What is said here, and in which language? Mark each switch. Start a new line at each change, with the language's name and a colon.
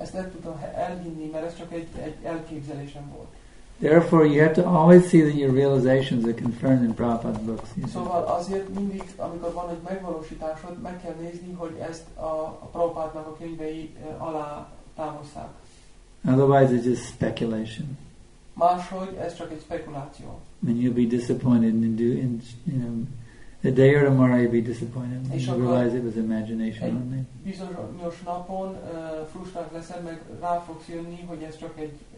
Hungarian: Ezt nem tudtam elhinni, mert ez csak egy elképzelésem volt.
English: Therefore, you have to always see that your realizations are confirmed in Prabhupada's books.
Hungarian: Szóval azért mindig, amikor van egy megvalósításod, meg kell nézni, hogy ezt a Prabhupádnak a könyvei alá támasztják.
English: Otherwise, it's just speculation.
Hungarian: Máshogy ez csak egy spekuláció.
English: And you'll be disappointed, and a day or tomorrow you'll be disappointed, and you'll realize it was imagination only.
Hungarian: Bizonyos napon frustrált leszel, meg rá fogsz jönni, hogy ez csak egy